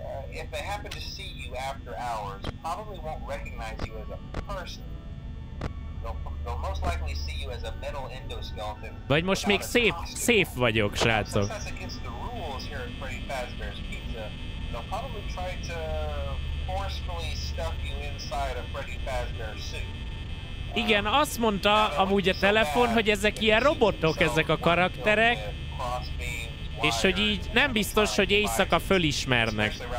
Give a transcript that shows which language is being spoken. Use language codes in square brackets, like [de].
[en] if they happen to see you after hours, probably won't recognize you as a person. They'll most likely see you as a metal endoskeleton. [hu] Vagy most még safe vagyok, srácok. [en] Since that's against the rules here at Freddy Fazbear's Pizza, they'll probably try to forcefully stuff you inside a Freddy Fazbear suit. [hu] Igen, azt mondta amúgy a telefon, hogy ezek ilyen robotok, ezek a karakterek, és hogy így nem biztos, hogy éjszaka fölismernek.